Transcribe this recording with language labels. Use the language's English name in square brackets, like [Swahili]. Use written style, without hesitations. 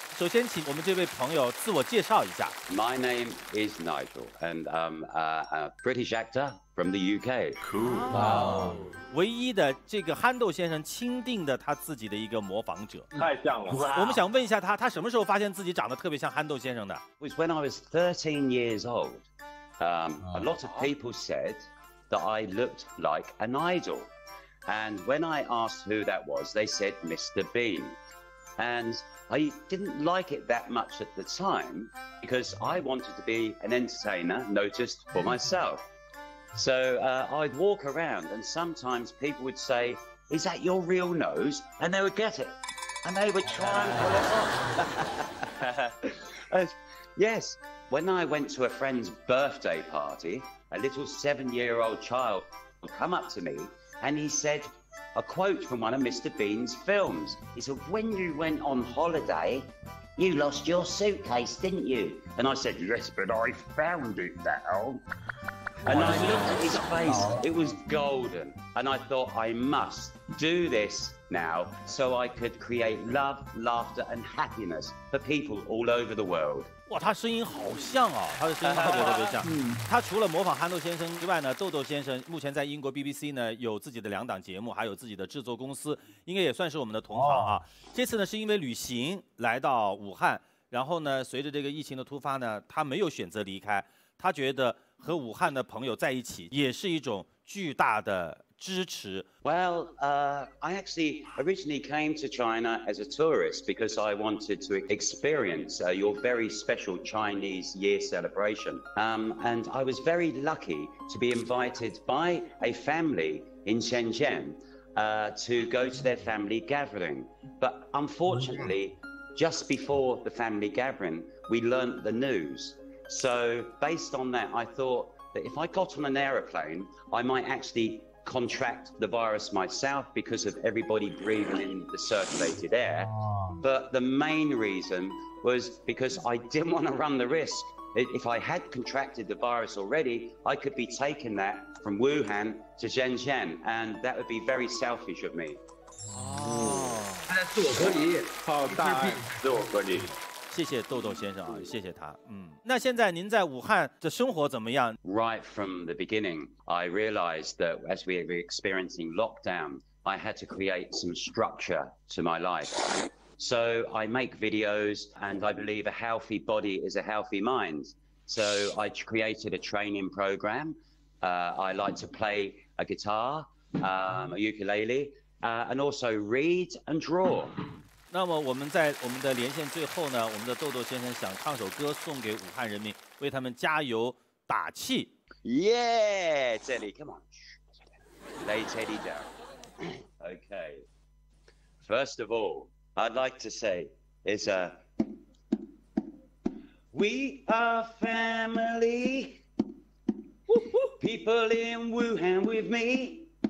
[Chinese] 首先请我们这位朋友自我介绍一下。 [English] My name is Nigel and I'm a British actor from the UK. Cool. Wow. [Chinese] 唯一的这个憨豆先生钦定的他自己的一个模仿者，太像了。我们想问一下他，他什么时候发现自己长得特别像憨豆先生的？ [English] When I was 13 years old, a lot of people said that I looked like a Nigel. And when I asked who that was, they said Mr. Bean. AndI didn't like it that much at the time because I wanted to be an entertainer noticed for myself. So I'd walk around and sometimes people would say, is that your real nose? And they would get it and they would try and pull it off. Yes, when I went to a friend's birthday party, a little 7-year-old child would come up to me and he said,A quote from one of Mr. Bean's films. He said, when you went on holiday, you lost your suitcase, didn't you? And I said, yes, but I found it now. And I looked at his face, it was golden. And I thought, I must do this now so I could create love, laughter, and happiness for people all over the world. [Chinese] 哇，他声音好像啊，他的声音特别特别像。他除了模仿憨豆先生之外呢，豆豆先生目前在英国 BBC 呢有自己的两档节目，还有自己的制作公司，应该也算是我们的同行啊。这次呢是因为旅行来到武汉，然后呢随着这个疫情的突发呢，他没有选择离开，他觉得和武汉的朋友在一起也是一种巨大的支持。 [English] Well, I actually originally came to China as a tourist because I wanted to experience your very special Chinese year celebration. And I was very lucky to be invited by a family in Shenzhen to go to their family gathering. But unfortunately, just before the family gathering, we learned the news. So based on that, I thought that if I got on an aeroplane, I might actually contract the virus myself because of everybody breathing in the circulated air. But the main reason was because I didn't want to run the risk. If I had contracted the virus already, I could be taking that from Wuhan to Shenzhen, and that would be very selfish of me. Oh, that's a good idea. How dare you? [Chinese] 谢谢豆豆先生啊，谢谢他。那现在您在武汉的生活怎么样 [English] ？Right from the beginning, I realized that as we were experiencing lockdown, I had to create some structure to my life. So I make videos, and I believe a healthy body is a healthy mind. So I created a training program. I like to play a guitar, a ukulele, and also read and draw. [Chinese] 那么我们在我们的连线最后呢，我们的豆豆先生想唱首歌送给武汉人民，为他们加油打气。 [English] 耶、yeah, ， [Chinese] 这里 [English] ，come on，lay Teddy down。 Okay，first of all，I'd like to say it's a we are family people in Wuhan with me.